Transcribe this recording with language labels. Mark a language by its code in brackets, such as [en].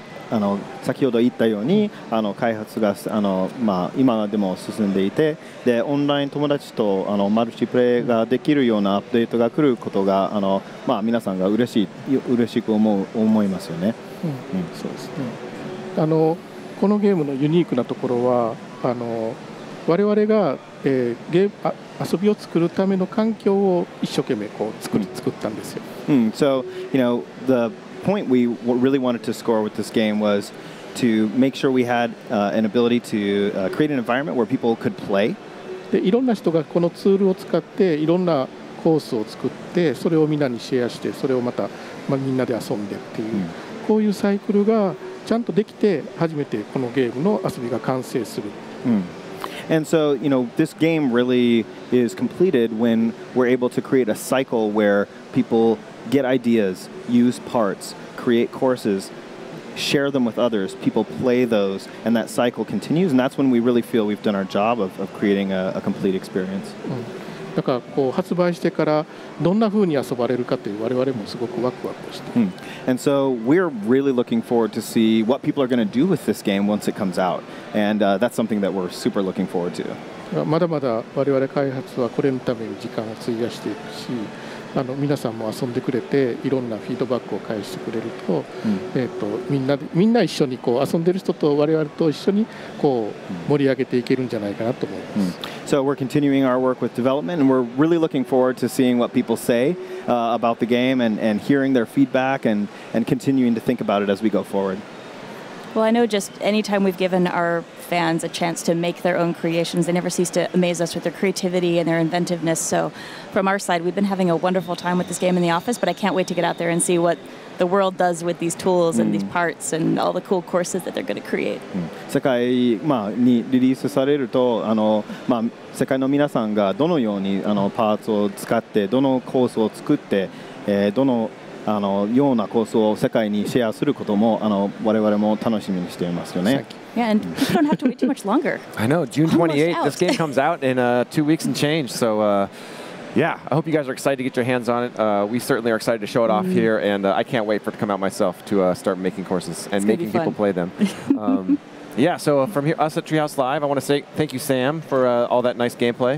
[ja] あの先ほど言ったようにあの開発があの、まあ、今でも進んでいてでオンライン友達とあのマルチプレイができるようなアップデートが来ることがあの、まあ、皆さんが嬉しく思いますよね、そうですね、あのこのゲームのユニークなところはあの我々が、遊びを作るための環境を一生懸命こう作ったんですよ、 [en] So you know thePoint we really wanted to score with this game was to make sure we had an ability to create an environment where people could play. [ja] で、いろんな人がこのツールを使っていろんなコースを作ってそれをみんなにシェアしてそれをまた、まあ、みんなで遊んでっていう、こういうサイクルがちゃんとできて初めてこのゲームの遊びが完成する。 [en] And so, you know, this game really is completed when we're able to create a cycle where people get ideas, use parts, create courses, share them with others, people play those, and that cycle continues. And that's when we really feel we've done our job of creating a complete experience. [ja] だからこう発売してからどんな風に遊ばれるかという我々もすごくワクワクして、 [en] And so we're really looking forward to see what people are going to do with this game once it comes out. And that's something that we're super looking forward to. [ja] まだまだ我々開発はこれのために時間を費やしていくし、あの皆さんも遊んでくれていろんなフィードバックを返してくれると、みんな一緒にこう遊んでる人と我々と一緒にこう盛り上げていけるんじゃないかなと思います。 [en] So we're continuing our work with development and we're really looking forward to seeing what people say about the game and hearing their feedback and continuing to think about it as we go forward. Well, I know just any time we've given our fans a chance to make their own creations, they never cease to amaze us with their creativity and their inventiveness. So from our side, we've been having a wonderful time with this game in the office, but I can't wait to get out there and see what the world does with these tools and these parts and all the cool courses that they're going to create. [ja] 世界、まあ、にリリースされるとあの、まあ、世界の皆さんがどのようにあのパーツを使ってどのコースを作って、どのあのようなコースを世界にシェアすることもあの我々も楽しみにしていますよね。 [en] Yeah, and people don't have to wait too much longer. I know, June 28th, this game comes out in 2 weeks and change. So, yeah, I hope you guys are excited to get your hands on it. We certainly are excited to show it off here, and I can't wait for it to come out myself to start making courses and making people play them. Yeah, so from here, us at Treehouse Live, I want to say thank you, Sam, for all that nice gameplay.